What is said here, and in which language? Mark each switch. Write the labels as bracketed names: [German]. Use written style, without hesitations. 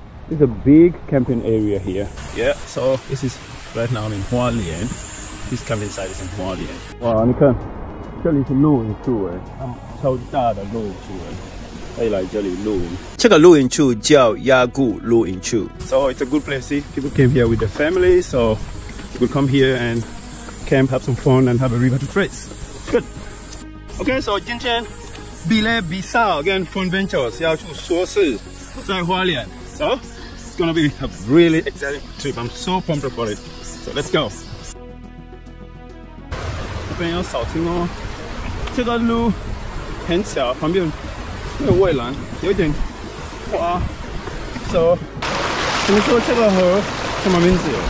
[English] It's a big camping area here. Yeah, so this is right now in Hualien. This camping site is in Hualien. [Chinese] Wow, 你看，这里是露营处哎，超大的露营处哎，可以来这里露营。这个露营处叫雅古露营处。 [English] So it's a good place. See, people came here with their family, so you could come here and camp, have some fun, and have a river to trace. Good. Okay, so [Chinese] 今天Pirih 比赛 again Funventures 要去说是在花莲。 [English] So, it's gonna be a really exciting trip. I'm so pumped up for it. So, let's go. [Chinese] 这边要小心哦，这个路很小，旁边没有围栏，有点滑。 [English] So, [Chinese] 怎么说这个河什么名字？